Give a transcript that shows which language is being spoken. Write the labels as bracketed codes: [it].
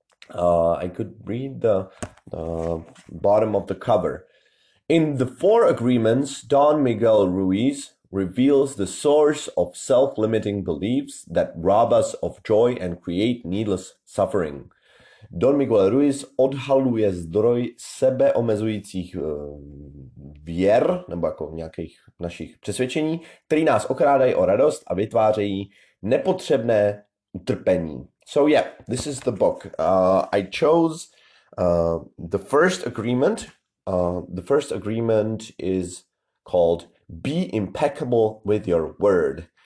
[en] I could read the bottom of the cover. In The Four Agreements, Don Miguel Ruiz reveals the source of self-limiting beliefs that rob us of joy and create needless suffering. [cs] Don Miguel Ruiz odhaluje zdroj sebeomezujících věr, nebo jako nějakých našich přesvědčení, který nás okrádají o radost a vytvářejí nepotřebné utrpení. [en] So yeah, this is the book. I chose the first agreement. The first agreement is called "Be impeccable with your word."